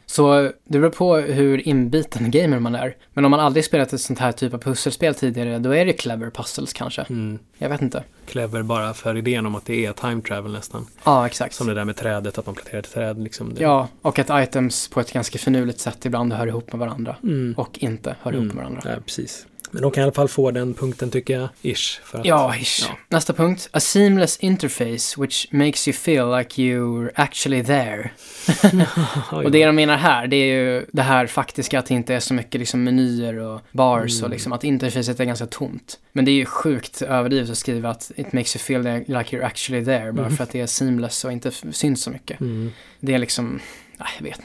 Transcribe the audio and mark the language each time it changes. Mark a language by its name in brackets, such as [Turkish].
[Swedish] Så det beror på hur inbiten gamer man är. Men om man aldrig spelat ett sånt här typ av pusselspel tidigare, då är det clever puzzles kanske. Mm. Jag vet inte. Clever bara för idén om att det är time travel nästan. Ja, exakt. Som det där med trädet, att man planterar ett träd. Liksom det. Ja, och att items på ett ganska finurligt sätt ibland hör ihop med varandra. Mm. Och inte hör ihop med varandra. Ja, precis. Men de kan i alla fall få den punkten, tycker jag, ish. För att, ja, ish. Ja. Nästa punkt. [English] A seamless interface which makes you feel like you're actually there. [Swedish] Och det de menar här, det är ju det här faktiska att det inte är så mycket liksom menyer och bars och liksom att interfacet är ganska tomt. Men det är ju sjukt överdrivet att skriva att it makes you feel like you're actually there bara för att det är seamless och inte syns så mycket. Mm. Det är liksom... Nej, jag vet.